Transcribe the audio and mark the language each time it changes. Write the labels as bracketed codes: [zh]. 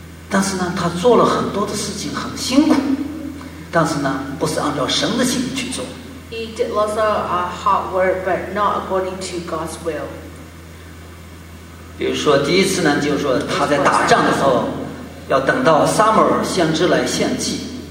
[zh] 但是呢，他做了很多的事情，很辛苦。但是呢，不是按照神的心意去做。 [en] He did lots of hard work, but not according to God's will. [zh] 比如说，第一次呢，就是说他在打仗的时候，要等到撒母耳先知来献祭。